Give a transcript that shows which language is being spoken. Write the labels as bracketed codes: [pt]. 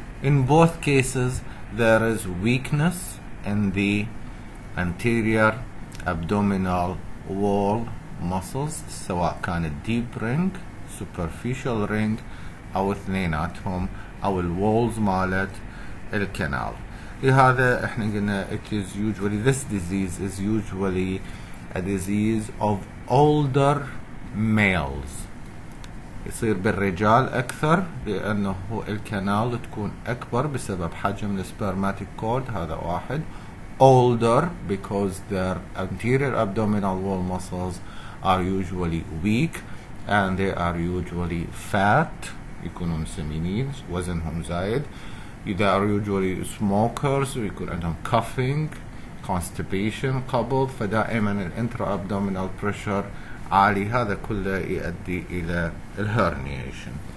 [en] In both cases there is weakness in the anterior abdominal wall muscles, [ar] سواء كان [en] deep ring, superficial ring [ar] او اثنيناتهم أو الوالز مالت الكنال. لهذا إحنا قلنا [en] it is usually, this disease is usually a disease of older males. [ar] يصير بالرجال أكثر لأنه الكنال تكون أكبر بسبب حجم السبرماتيك كورد. هذا واحد. [en] Older because their anterior abdominal wall muscles are usually weak and they are usually fat. [ar] يكونون سمينين وزنهم زايد. [en] They are usually smokers. [ar] يكون عندهم [en] coughing, constipation, [ar] قبل. فدائما الانترا ابدومينال بريشر عالي. هذا كله يؤدي الى الهرنيشن.